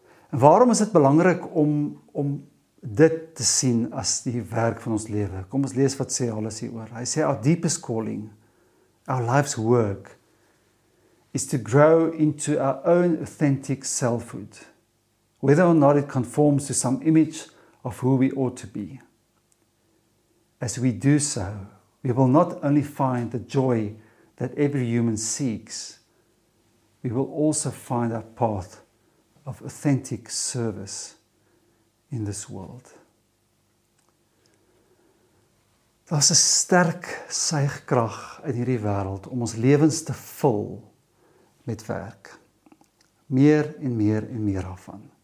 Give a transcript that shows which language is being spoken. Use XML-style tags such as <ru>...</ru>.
<af>En waarom is het belangrijk om dit te sien as die werk van ons leven? Kom ons lees wat sê Hollis hieroor. Hy sê,</af> <en>our deepest calling, our life's work, is to grow into our own authentic selfhood, whether or not it conforms to some image of who we ought to be. As we do so, we will not only find the joy that every human seeks, we will also find our path of authentic service in this world.</en> <af>Daar is 'n sterk suigkrag in hierdie wêreld om ons lewens te vul met werk. Meer en meer en meer daarvan.</af>